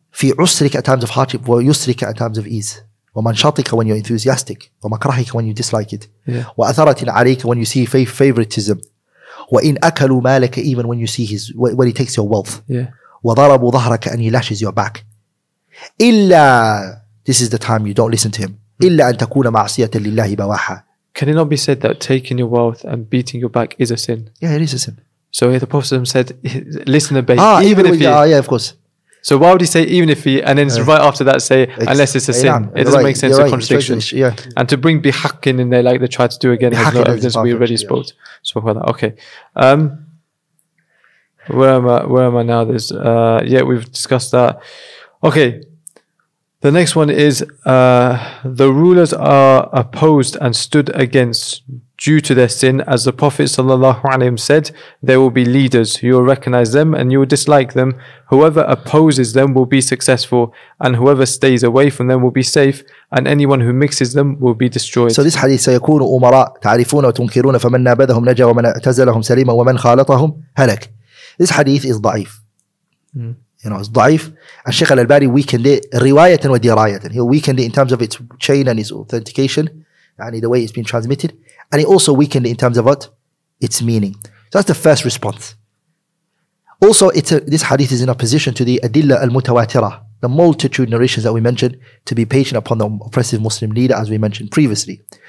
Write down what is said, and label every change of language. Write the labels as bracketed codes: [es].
[ar] Fi usrika, [en] at times of hardship, [ar] wa yusrika, [en] at times of ease. [ar] Wa manshatika, [en] when you're enthusiastic. [ar] Wa makrahika, [en] when you dislike it. [ar] Wa atharatin alayka, [en] when you see favoritism. [ar] Wa in akalu malaka, [en] even when you see his, when he takes your wealth. [ar] Wa darabu dhahraka, [en] and he lashes your back. Illa, this is the time you don't listen to him. [ar] إلا أن تكون معصية لله بواحة. [en] Can it not be said that taking your wealth and beating your back is a sin? Yeah, it is a sin. So the Prophet said, listen and obey. Even if he, of course. So why would he say even if he, and then right after that say, unless it's a sin? It doesn't make sense, a contradiction. And to bring bihaqin in there, like they tried to do again, as we already spoke. Okay. Where am I now? We've discussed that. Okay. The next one is, the rulers are opposed and stood against due to their sin. As the Prophet ﷺ said, there will be leaders. You will recognize them and you will dislike them. Whoever opposes them will be successful, and whoever stays away from them will be safe, and anyone who mixes them will be destroyed. So this hadith, [ar] سيكون أمراء تعرفون وتنكرون فمن نابذهم نجا ومن اعتزلهم سليما ومن خالطهم هلك. [en] This hadith is ضعيف. You know, it's ضعيف. [ar] الشيخ الألباني [en] weakened it [ar] رواية ودراية. [en] He weakened it in terms of its chain and its authentication, and the way it's been transmitted. And he also weakened it in terms of what? Its meaning. So that's the first response. Also, this hadith is in opposition to the [ar] أدلة المتواترة, [en] the multitude narrations that we mentioned, to be patient upon the oppressive Muslim leader, as we mentioned previously.